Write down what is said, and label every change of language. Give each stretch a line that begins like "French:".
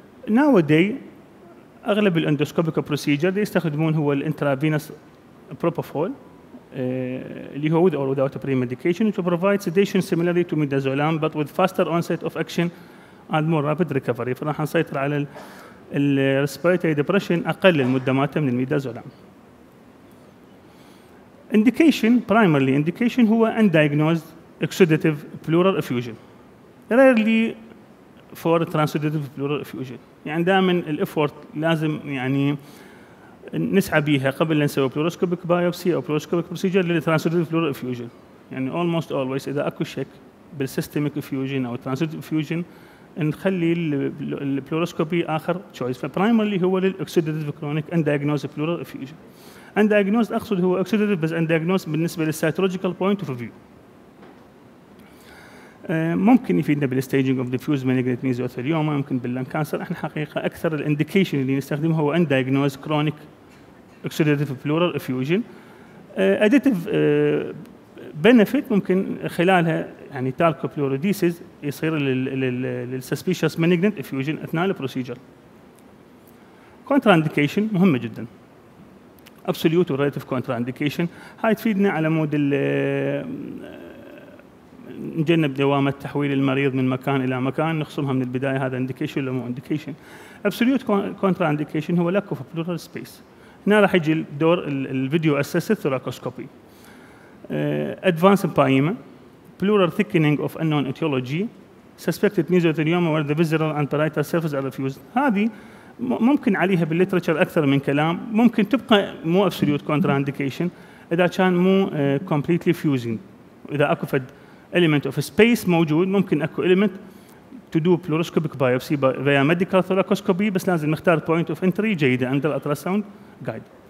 English: Nowadays, أغلب الاندوسكوبيك procedure
Arabic: دي يستخدمون هو الانترافينوس بروبوفول اللي هو
English: with or without pre-medication to provide sedation similarly to midazolam but with faster onset of action and more rapid recovery.
Arabic: فراح نسيطر على ال respiratory depression أقل المدة ماتها من الميدازولام.
English: Indication, primarily indication, هو undiagnosed exudative pleural effusion. Rarely for transudative pleural effusion.
Arabic: يعني دائماً الإفورت لازم يعني نسعى بيها قبل نسوي pleuroscopic biopsy أو pleuroscopic procedure للtransudative pleural effusion. يعني almost always إذا أكو شك بالsystemic effusion أو transudative effusion نخلي البلوروسكوبي آخر choice.
English: فprimarily هو للexudative chronic undiagnosed pleural effusion. Undiagnosed أقصد هو exudative بس undiagnosed بالنسبة للcytological point of view.
Arabic: ممكن يفيدنا بالstaging of diffuse malignant mesothelioma، ممكن باللان كانسر. احنا حقيقة أكثر
English: الindication اللي نستخدمه هو undiagnosed chronic exudative pleural effusion. Additive benefit
Arabic: ممكن خلالها يعني
English: talco pleurodesis يصير للsuspicious malignant effusion أثناء البروسيجر.
Arabic: Contraindication مهمة جدا. Absolute or relative contraindication هاي تفيدنا على مود نجنب دوامة تحويل المريض من مكان إلى مكان، نخصمها من البداية هذا indication ولا مو indication.
English: Absolute contraindication هو lack of pleural space.
Arabic: هنا راح يجي دور الفيديو assessed thoracoscopy.
English: Advanced empyema, pleural thickening of unknown etiology, suspected mesothelioma where the visceral and parietal surface are effused.
Arabic: هذه ممكن عليها بالليترشر أكثر من كلام، ممكن تبقى مو absolute contraindication إذا كان مو completely fusing. إذا أكو فد
English: element of space موجود ممكن أكو element to do pleuroscopic biopsy via medical thoracoscopy، بس لازم نختار point of entry جيدة under ultrasound guide.